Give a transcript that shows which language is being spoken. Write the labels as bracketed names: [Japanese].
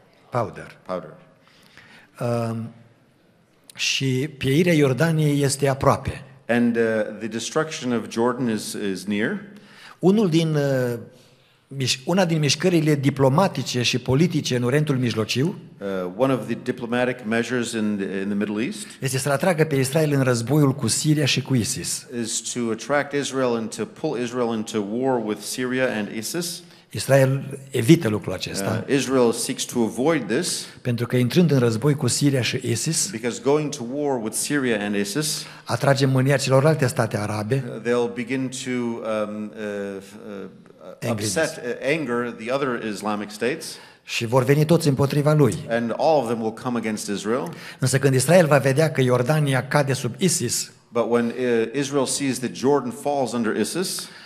[English] Powder. [Romanian] Și pieirea Iordaniei este aproape. [English] And the destruction of Jordan is near. [Romanian] Unul din una din mișcările diplomatice și politice în Orientul Mijlociu, [English] one of the diplomatic measures in the Middle East, [Romanian] este să atragă pe Israel în războiul cu Siria și cu ISIS. [English] Is to attract Israel and to pull Israel into war with Syria and ISIS. [Romanian] Israel evită lucrul acesta. [English] Israel seeks to avoid this. [Romanian] Pentru că intrând în război cu Siria și ISIS, [English] because going to war with Syria and ISIS, [Romanian] atrage mânia celorlalte state arabe. [English] They'll begin to upset, anger the other Islamic states. [Romanian] Și vor veni toți împotriva lui. [English] And all of them will come against Israel. [Romanian] Însă când Israel va vedea că Iordania cade sub ISIS, [English] but when Israel sees that Jordan falls under ISIS,